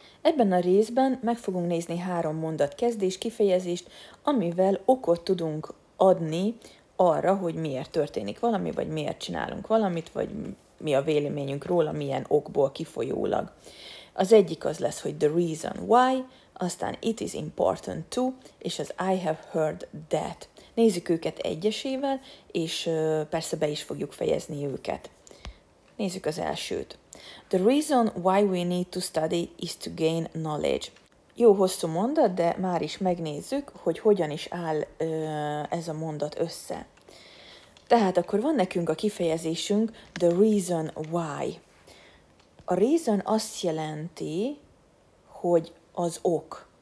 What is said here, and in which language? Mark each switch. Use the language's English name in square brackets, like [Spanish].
[Hungarian] Ebben a részben meg fogunk nézni három mondat kezdés kifejezést, amivel okot tudunk adni arra, hogy miért történik valami, vagy miért csinálunk valamit, vagy mi a véleményünk róla, milyen okból kifolyólag. Az egyik az lesz, hogy [English] the reason why, [Hungarian] aztán [English] it is important to, [Hungarian] és az [English] I have heard that. [Hungarian] Nézzük őket egyesével, és persze be is fogjuk fejezni őket. Nézzük az elsőt. [English] The reason why we need to study is to gain knowledge. [Hungarian] Jó hosszú mondat, de már is megnézzük, hogy hogyan is áll ez a mondat össze. Tehát akkor van nekünk a kifejezésünk [English] the reason why. [Hungarian] A reason azt jelenti, hogy az ok.